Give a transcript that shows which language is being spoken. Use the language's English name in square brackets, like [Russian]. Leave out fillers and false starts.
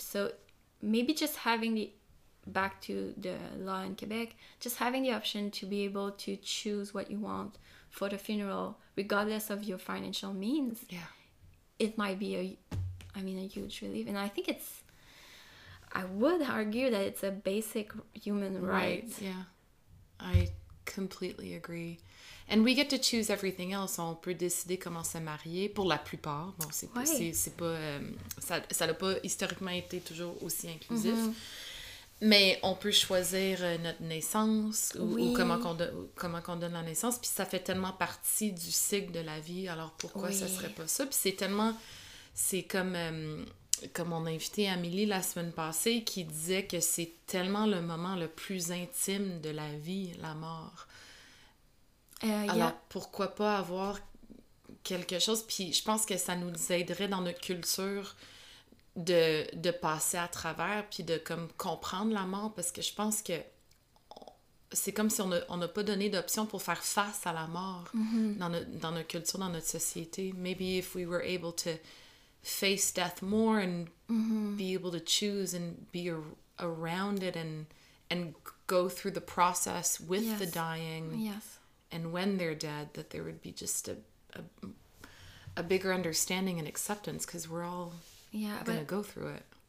[English] So maybe just having the back to the law in Quebec, just having the option to be able to choose what you want for the funeral, regardless of your financial means, it might be a huge relief. And I think it's, I would argue that it's a basic human right. Right. Yeah, I completely agree. And we get to choose everything else. [French] On peut décider comment se marier, pour la plupart. Bon, ça n'a pas historiquement été toujours aussi inclusif. Mm-hmm. Mais on peut choisir notre naissance ou comment qu'on donne la naissance. Puis ça fait tellement partie du cycle de la vie. Alors pourquoi ça serait pas ça? Puis c'est tellement... C'est comme on a invité Amélie la semaine passée qui disait que c'est tellement le moment le plus intime de la vie, la mort. Pourquoi pas avoir quelque chose? Puis je pense que ça nous aiderait dans notre culture... De passer à travers puis de comme comprendre la mort, parce que je pense que c'est comme si on n'a pas donné d'option pour faire face à la mort, mm-hmm. dans notre culture, dans notre société. [English] Maybe if we were able to face death more and mm-hmm. be able to choose and be around it and go through the process with the dying, and when they're dead, that there would be just a bigger understanding and acceptance, because we're all gonna go through it.